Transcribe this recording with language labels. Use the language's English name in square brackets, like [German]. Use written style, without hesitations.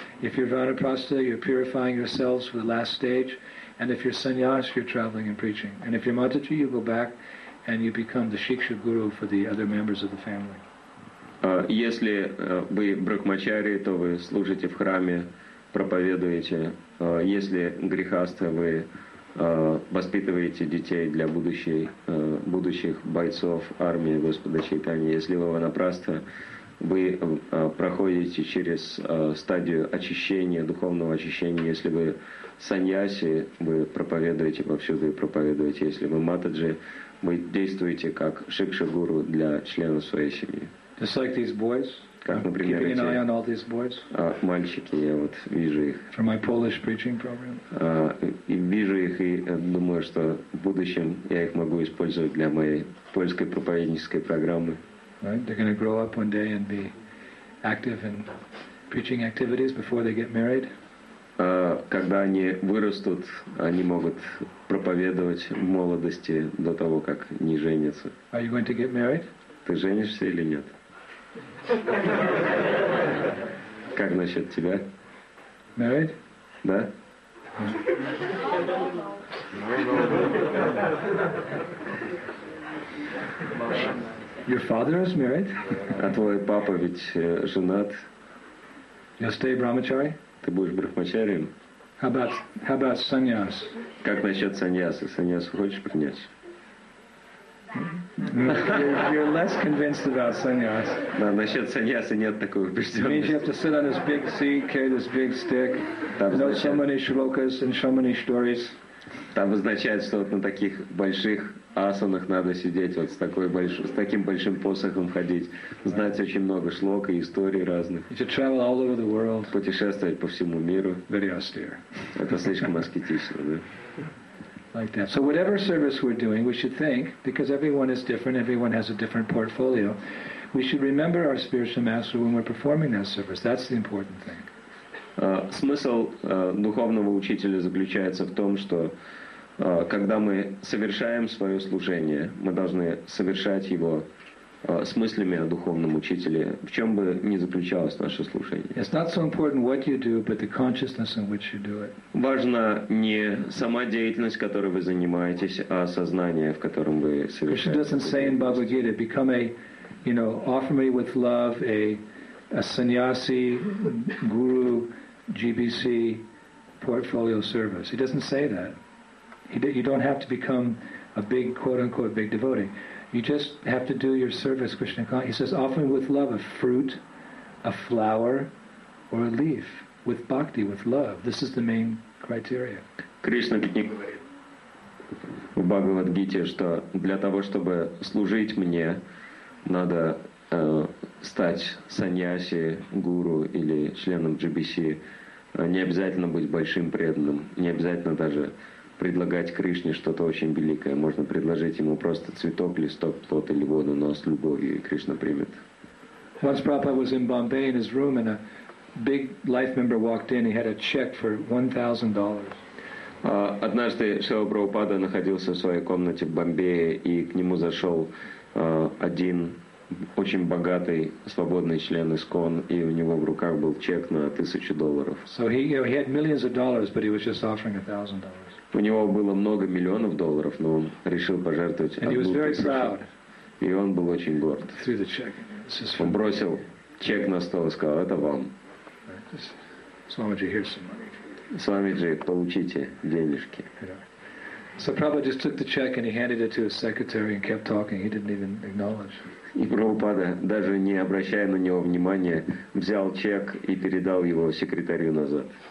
[English] If you're Vanaprastha, you're purifying yourselves for the last stage. And if you're sannyas, you're traveling and preaching. And if you're Mataji, you go back and you become the Shiksha Guru for the other members of the family. [Russian] Если вы брахмачари, то вы служите в храме, проповедуете. Если грихастха, вы воспитываете детей для будущих бойцов армии Господа Чайтани. Если вы ванапрастха, вы проходите через стадию очищения, духовного очищения. Если вы саньяси, вы проповедуете повсюду и проповедуете. Если вы матаджи, вы действуете как шикша-гуру для членов своей семьи. [English] Just like these boys. [Russian] Как, например, эти мальчики, я вот вижу их. [English] From my Polish preaching program. [Russian] И вижу их, и думаю, что в будущем я их могу использовать для моей польской проповеднической программы. [English] Right? They're going to grow up one day and be active in preaching activities before they get married. [Russian] когда они вырастут, они могут проповедовать в молодости до того, как не женятся. [English] Are you going to get married? [Russian] Ты женишься или нет? Как насчет тебя? [English] Married? [Russian] Да? [English] Your father is married. [Russian] А твой папа ведь женат. [English] You'll stay brahmachari? [Russian] Ты будешь брахмачарием? [English] How about sannyas? [Russian] Как насчет саньяса? Саньяс хочешь принять? [English] You're less convinced about sannyas. [Russian] Да, насчет саньяса нет такой убежденности. [English] You have to sit on this big seat, carry this big stick. Know so many shlokas and so many stories. [Russian] Там означает, что вот на таких больших асанах надо сидеть, вот с таким большим посохом ходить, знать [English] right. [Russian] очень много шлок и историй разных. [English] You should travel all over the world. [Russian] Путешествовать по всему миру. [English] Very austere. [Russian] Это слишком аскетично, да? [English] Like that. So whatever service we're doing, we should think, because everyone is different, everyone has a different portfolio, we should remember our spiritual master when we're performing that service. That's the important thing. [Russian] Смысл духовного учителя заключается в том, что когда мы совершаем свое служение, мы должны совершать его с мыслями о духовном учителе, в чем бы ни заключалось наше служение. [English] It's not so important what you do, but the consciousness in which you do it. [Russian] Важна не сама деятельность, которой вы занимаетесь, а сознание, в котором вы совершаете. [English] Krishna doesn't say in Bhagavad Gita, become a, you know, offer me with love a sannyasi guru GBC portfolio service. He doesn't say that. You don't have to become a big, quote-unquote, big devotee. You just have to do your service, Krishna. He says, offer with love a fruit, a flower, or a leaf, with bhakti, with love. This is the main criteria. [Russian] Krishna говорит в Бхагавад-гите, что для того, чтобы служить мне, надо стать саньяси, гуру или членом GBC. Не обязательно быть большим преданным, не обязательно даже предлагать Кришне что-то очень великое. Можно предложить ему просто цветок, листок, плод или воду, но с любовью, и Кришна примет. [English] Once Prabhupada was in Bombay in his room, and a big life member walked in, he had a check for $1,000. [Russian] Однажды Шрила Прабхупада находился в своей комнате в Бомбее, и к нему зашел один очень богатый свободный член ИСКОН, и у него в руках был чек на $1,000. [English] So he, you know, he had millions of dollars, but he was just offering $1,000. [Russian] У него было много миллионов долларов, но он решил пожертвовать. [English] And he was very proud. [Russian] И он был очень горд. [English] Threw the check. [Russian] Он бросил чек на стол и сказал: это вам. [English] Swamiji, here's some money. [Russian] Swamiji, получите денежки. [English] So Prabhupada just took the check and he handed it to his secretary and kept talking. He didn't even acknowledge. [Russian] И Прабхупада, даже не обращая на него внимания, взял чек и передал его секретарю назад.